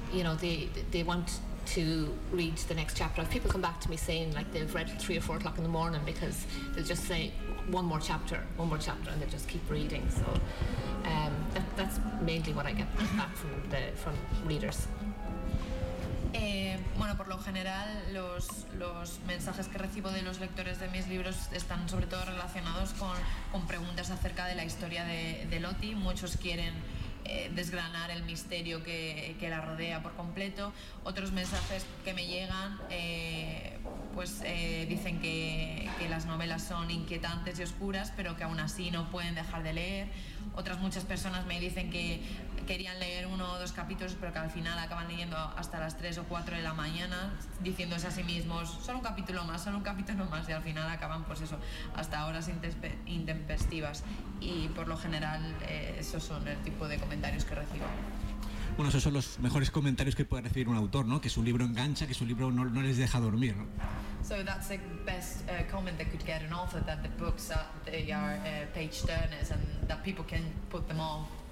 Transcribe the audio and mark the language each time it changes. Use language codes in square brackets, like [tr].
[en] You know, they want to read the next chapter. People come back to me saying like they've read 3 or 4 o'clock in the morning because they'll just say one more chapter, and they'll just keep reading. So that's mainly what I get back from readers. [es] Bueno, por lo general los mensajes que recibo de los lectores de mis libros están sobre todo relacionados con preguntas acerca de la historia de Lottie. Muchos quieren desgranar el misterio que la rodea por completo. Otros mensajes que me llegan dicen que las novelas son inquietantes y oscuras, pero que aún así no pueden dejar de leer. Otras muchas personas me dicen que querían leer 1 o 2 capítulos, pero que al final acaban leyendo hasta las 3 o 4 de la mañana, diciéndose a sí mismos, solo un capítulo más, solo un capítulo más, y al final acaban, pues eso, hasta horas intempestivas. Y por lo general, esos son el tipo de comentarios que recibo. Bueno, esos son los mejores comentarios que puede recibir un autor, ¿no? Que su libro engancha, que su libro no les deja dormir, ¿no? [en] So that's the best comment that could get an author, that the books are, they are page turners and that people can put them all.